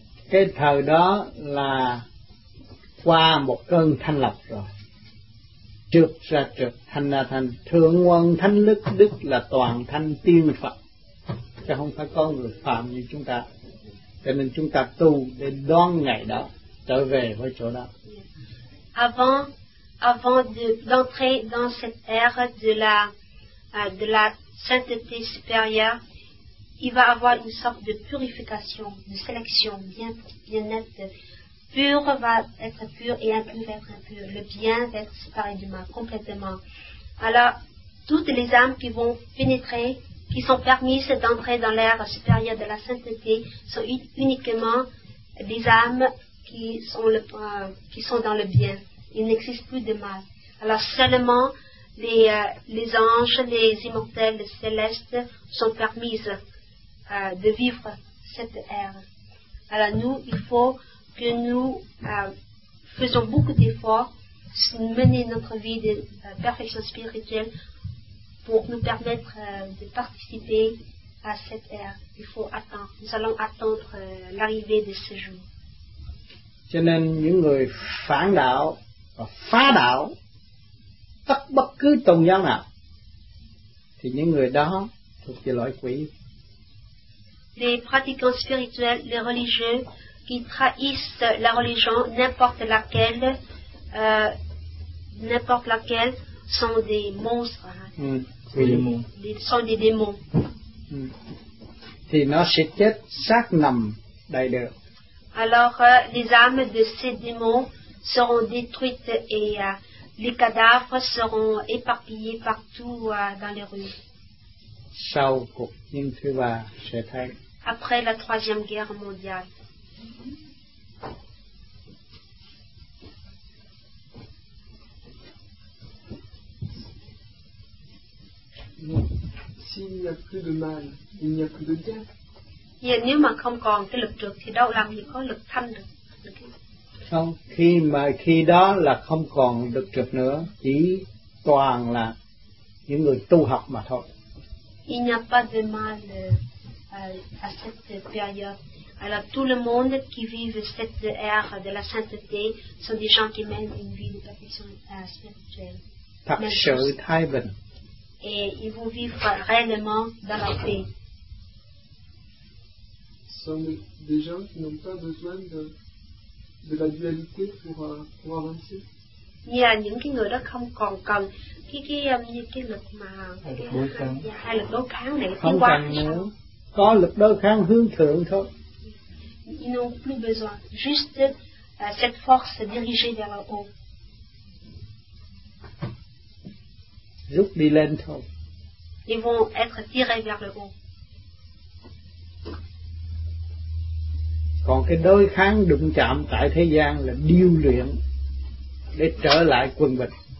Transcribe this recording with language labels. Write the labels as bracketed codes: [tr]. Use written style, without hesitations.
[vi] Cái thời đó là qua một cơn thanh lập rồi, trượt ra trượt, thanh ra thanh, Thượng Quân Thánh Đức Đức là toàn thanh tiên Phật, chứ không phải con người phàm như chúng ta. Cho nên chúng ta tu để đón ngày đó, trở về với chỗ đó. [fr] Avant d'entrer dans cette ère de la sainteté supérieure, il va avoir une sorte de purification, de sélection bien nette. Pur va être pur et impur va être impur. Le bien va être séparé du mal complètement. Alors, toutes les âmes qui vont pénétrer, qui sont permises d'entrer dans l'ère supérieure de la sainteté, sont uniquement des âmes qui sont dans le bien. Il n'existe plus de mal. Alors seulement les anges, les immortels, les célestes sont permises de vivre cette ère. Alors nous, il faut que nous faisons beaucoup d'efforts pour mener notre vie de perfection spirituelle pour nous permettre de participer à cette ère. Il faut attendre. Nous allons attendre l'arrivée de ce jour. [vi] Cho nên những người phản đạo và phá đạo, tất bất cứ tôn giáo nào, thì những người đó thuộc về loại quỷ. [fr] Les pratiquants spirituels, les religieux qui trahissent la religion, n'importe laquelle, sont des monstres. Sont des démons. [vi] Thì nó sẽ chết xác nằm đầy đường. [fr] Alors, les âmes de ces démons seront détruites et les cadavres seront éparpillés partout dans les rues. [vi] Sau cuộc chiến thứ ba, sẽ thấy. [fr] Après la Troisième Guerre mondiale. S'il n'y a plus de mal, il n'y a plus de bien. [vi] Yeah, nếu mà không còn cái lực trượt thì đâu làm gì có lực thanh được. Không, khi đó là không còn lực trượt nữa, chỉ toàn là những người tu học mà thôi. [fr] Il n'y a pas de mal à cette période. Alors tout le monde qui vit cette ère de la sainteté sont des gens qui mènent une vie de perfection spirituelle. [vi] Thật sự thái bình. [fr] Et ils vont vivre réellement dans la paix. Sont des gens qui n'ont pas besoin de la dualité pour avancer. Il y a [vi] những cái người đó không còn cần cái lực mà hai lực đối kháng để không cần nữa. Có lực đối kháng hướng thượng thôi. [fr] Ils n'ont plus besoin, juste cette force dirigée vers le haut. [vi] Rút đi lên thôi. [fr] Ils vont être tirés vers le haut. [vi] Còn cái đối kháng đụng chạm tại thế gian là điêu luyện để trở lại quân bình.